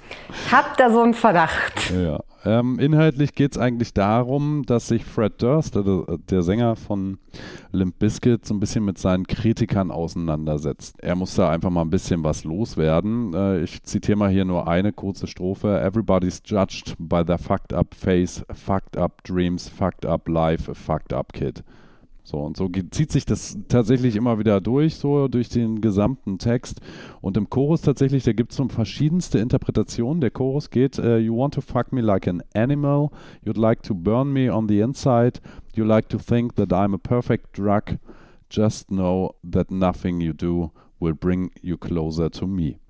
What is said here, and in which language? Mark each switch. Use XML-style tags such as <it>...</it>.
<de>Ich hab da so einen Verdacht. Ja. Inhaltlich geht es eigentlich darum, dass sich Fred Durst, der Sänger von Limp Bizkit, so ein bisschen mit seinen Kritikern auseinandersetzt. Er muss da einfach mal ein bisschen was loswerden. Ich zitiere mal hier nur eine kurze Strophe.</de> <en>Everybody's judged by their fucked up face, fucked up dreams, fucked up life, fucked up kid.</en> <de>So und so zieht sich das tatsächlich immer wieder durch, so durch den gesamten Text. Und im Chorus tatsächlich, da gibt es so verschiedenste Interpretationen. Der Chorus geht,</de> <en>you want to fuck me like an animal, you'd like to burn me on the inside, you like to think that I'm a perfect drug, just know that nothing you do will bring you closer to me.</en>